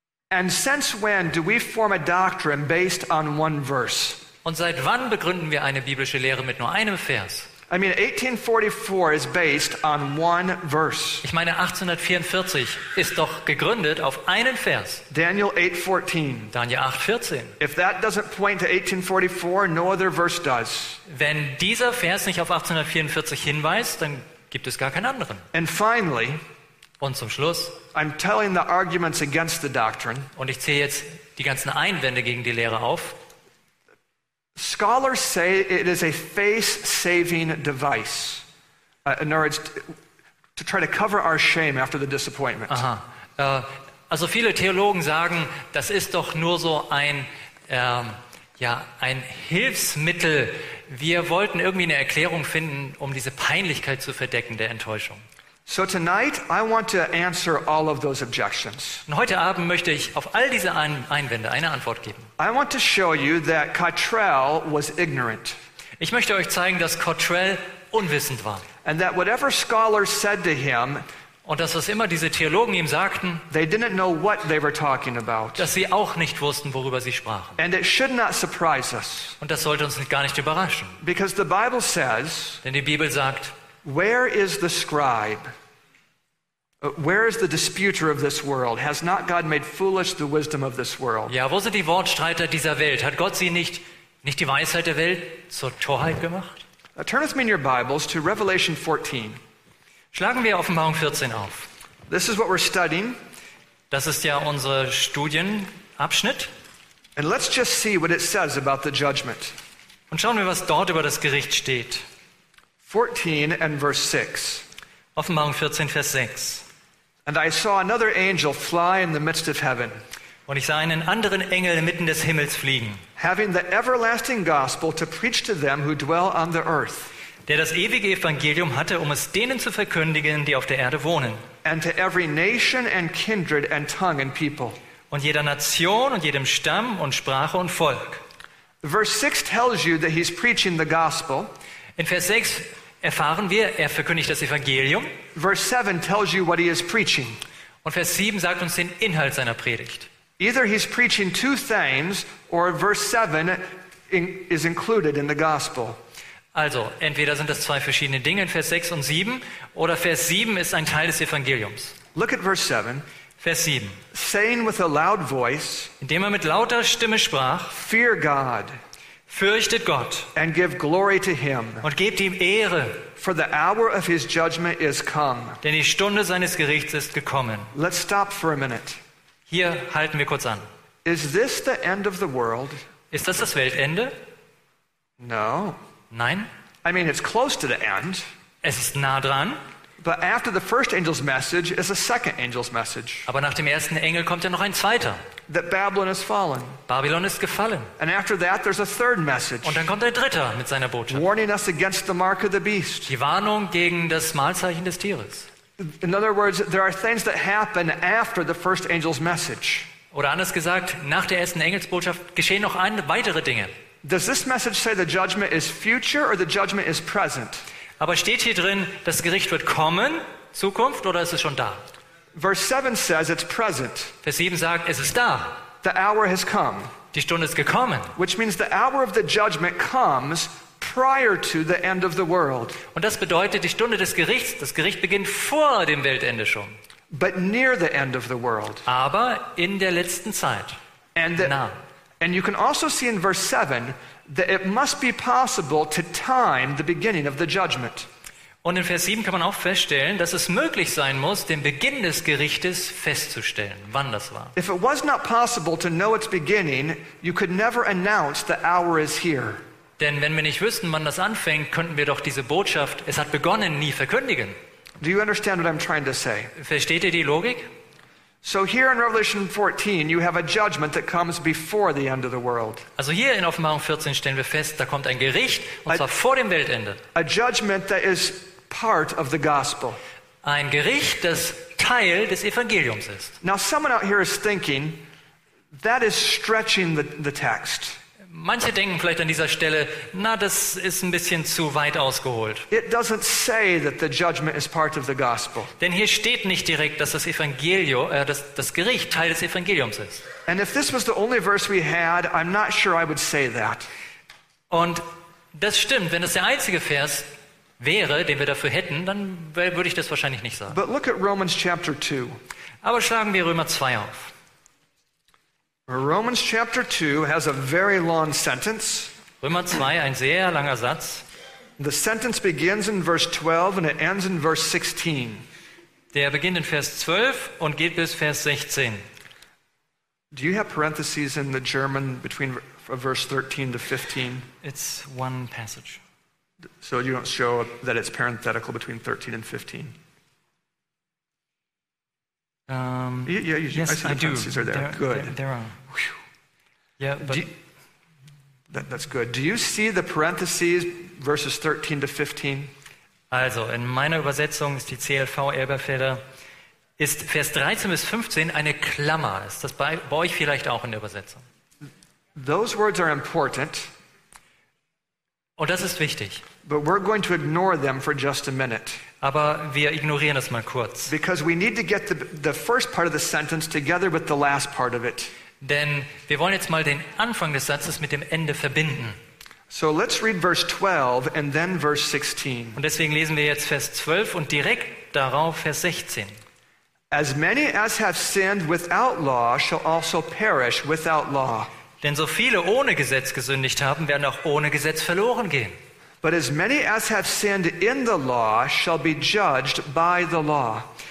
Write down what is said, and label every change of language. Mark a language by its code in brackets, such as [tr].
[en] And since when do we form a doctrine based on one verse? [de] Und seit wann begründen wir eine biblische Lehre mit nur einem Vers? [en] I mean, 1844 is based on one verse. [de] Ich meine, 1844 ist doch gegründet auf einen Vers. [en] Daniel 8:14. [de] Daniel 8:14. [en] If that doesn't point to 1844, no other verse does. [de] Wenn dieser Vers nicht auf 1844 hinweist, dann gibt es gar keinen anderen. [en] And finally, [de] und zum Schluss, [en] I'm telling the arguments against the doctrine. [de] Und ich zähle jetzt die ganzen Einwände gegen die Lehre auf. [en] Scholars say it is a face-saving device, in order to try to cover our shame after the disappointment. Aha. [de] Also viele Theologen sagen, das ist doch nur so ein ein Hilfsmittel. Wir wollten irgendwie eine Erklärung finden, um diese Peinlichkeit zu verdecken der Enttäuschung. [en] So tonight I want to answer all of those objections. [de] Und heute Abend möchte ich auf all diese Einwände eine Antwort geben. [en] I want to show you that Cottrell was ignorant. [de] Ich möchte euch zeigen, dass Cottrell unwissend war. [en] And that whatever scholars said to him, [de] und dass was immer diese Theologen ihm sagten, [en] they didn't know what they were talking about. [de] Dass sie auch nicht wussten, worüber sie sprachen. [en] And it should not surprise us. [de] Und das sollte uns gar nicht überraschen. [en] Because the Bible says, [de] denn die Bibel sagt, [en] where is the scribe? Where is the disputer of this world? Has not God made foolish the wisdom of this world? [de] Ja, wo sind die Wortstreiter dieser Welt? Hat Gott sie nicht die Weisheit der Welt zur Torheit gemacht? [en] Turn with me in your Bibles to Revelation 14. [de] Schlagen wir Offenbarung 14 auf. [en] This is what we're studying. [de] Das ist ja unser Studienabschnitt. [en] And let's just see what it says about the judgment. [de] Und schauen wir, was dort über das Gericht steht. [en] 14 and verse 6. [de] Offenbarung 14, Vers 6. [en] And I saw another angel fly in the midst of heaven. [de] Und ich sah einen anderen Engel mitten des Himmels fliegen. [en] Having the everlasting gospel to preach to them who dwell on the earth. [de] Der das ewige Evangelium hatte, um es denen zu verkündigen, die auf der Erde wohnen. [en] And to every nation and kindred and tongue and people. [de] Und jeder Nation und jedem Stamm und Sprache und Volk. [en] Verse 6 tells you that he's preaching the gospel. [de] In Vers 6 erfahren wir, er verkündigt das Evangelium. [en] Verse 7 tells you what he is preaching. [de] Und Vers 7 sagt uns den Inhalt seiner Predigt. [en] Either he's preaching two things or verse 7 is included in the gospel. [de] Also, entweder sind das zwei verschiedene Dinge in Vers 6 und 7 oder Vers 7 ist ein Teil des Evangeliums. [en] Look at verse 7. [de] Vers 7. [en] Saying with a loud voice, [de] indem er mit lauter Stimme sprach, [en] fear God. [de] Fürchtet Gott. [en] And give glory to him. [de] Und gebt ihm Ehre. [en] For the hour of his judgment is come. [de] Denn die Stunde seines Gerichts ist gekommen. [en] Let's stop for a minute. [de] Hier halten wir kurz an. [en] Is this the end of the world? [de] Ist das das Weltende? [en] No. [de] Nein. [en] I mean, it's close to the end. [de] Es ist nah dran. [en] But after the first angel's message is a second angel's message. [de] Aber nach dem ersten Engel kommt ja noch ein zweiter. [en] That Babylon has fallen. [de] Babylon ist gefallen. [en] And after that there's a third message. [de] Und dann kommt ein dritter mit seiner Botschaft. [en] Warning us against the mark of the beast. [de] Die Warnung gegen das Malzeichen des Tieres. [en] In other words, there are things that happen after the first angel's message. [de] Oder anders gesagt, nach der ersten Engelsbotschaft geschehen noch weitere Dinge. [en] Does this message say the judgment is future or the judgment is present? [de] Aber steht hier drin, das Gericht wird kommen, Zukunft, oder ist es schon da? [en] Verse 7 says it's present. [de] Vers 7 sagt, es ist da. [en] The hour has come. [de] Die Stunde ist gekommen. [en] Which means the hour of the judgment comes prior to the end of the world. [de] Und das bedeutet, die Stunde des Gerichts, das Gericht beginnt vor dem Weltende schon. [en] But near the end of the world. [de] Aber in der letzten Zeit. [en] And you can also see in verse 7 that it must be possible to time the beginning of the judgment. [de] Und in Vers 7 kann man auch feststellen, dass es möglich sein muss, den Beginn des Gerichtes festzustellen, wann das war. [en] If it was not possible to know its beginning, you could never announce the hour is here. [de] Denn wenn wir nicht wüssten, wann das anfängt, könnten wir doch diese Botschaft, es hat begonnen, nie verkündigen. [en] Do you understand what I'm trying to say? [de] Versteht ihr die Logik? [en] So here in Revelation 14 you have a judgment that comes before the end of the world. [de] Also hier in Offenbarung 14 stellen wir fest, da kommt ein Gericht, und zwar vor dem Weltende. [en] A judgment that is part of the gospel. [de] Ein Gericht, das Teil des Evangeliums ist. [en] Now someone out here is thinking that is stretching the text. [de] Manche denken vielleicht an dieser Stelle, na, das ist ein bisschen zu weit ausgeholt. [en] It doesn't say that the judgment is part of the gospel. [de] Denn hier steht nicht direkt, dass das Evangelium, das Gericht Teil des Evangeliums ist. [en] And if this was the only verse we had, I'm not sure I would say that. [de] Und das stimmt, wenn das der einzige Vers wäre, den wir dafür hätten, dann würde ich das wahrscheinlich nicht sagen. [en] But look at Romans chapter 2. [de] Aber schlagen wir Römer 2 auf. [en] Romans chapter 2 has a very long sentence. [de] Römer 2, ein sehr langer Satz. [en] The sentence begins in verse 12 and it ends in verse 16. [de] Der beginnt in Vers 12 und geht bis Vers 16. [en] Do you have parentheses in the German between verse 13 to 15? It's one passage. So you don't show that it's parenthetical between 13 and 15? Yes, I do. Are there. Good. There are. Whew. Yeah, but that's good. Do you see the parentheses verses 13 to 15? [de] Also, in meiner Übersetzung ist die CLV Elberfelder ist Vers 13 bis 15 eine Klammer. Ist das bei euch vielleicht auch in der Übersetzung? [en] Those words are important. [de] Und das ist wichtig. [en] But we're going to ignore them for just a minute. [de] Aber wir ignorieren das mal kurz. [en] Because we need to get the first part of the sentence together with the last part of it. [de] Denn wir wollen jetzt mal den Anfang des Satzes mit dem Ende verbinden. [en] So let's read verse 12 and then verse 16. [de] Und deswegen lesen wir jetzt Vers 12 und direkt darauf Vers 16. [en] As many as have sinned without law shall also perish without law. [de] Denn so viele ohne Gesetz gesündigt haben, werden auch ohne Gesetz verloren gehen. [en] But as many as have sinned in the law shall be judged by the law.